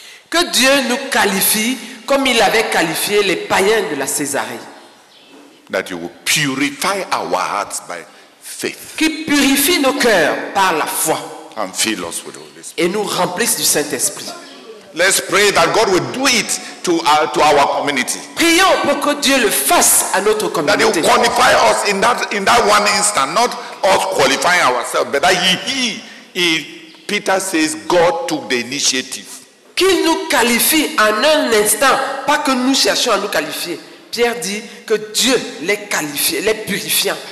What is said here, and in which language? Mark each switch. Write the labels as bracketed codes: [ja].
[fr] Que Dieu nous qualifie comme il avait qualifié les païens de la Césarée. [en] That you will purify our hearts by faith. [fr] Qui purifie nos cœurs par la foi. [en] And fill us with the Holy Spirit. [fr] Et nous remplisse du Saint-Esprit. [en] Let's pray that God will do it to our community. [fr] Prions pour que Dieu le fasse à notre communauté. [en] That he will qualify us in that one instant, not us qualifying ourselves, but that he Peter says God took the initiative. [fr] Qu'il nous qualifie en un instant, pas que nous cherchions à nous qualifier. Pierre dit que Dieu les qualifie, les purifie.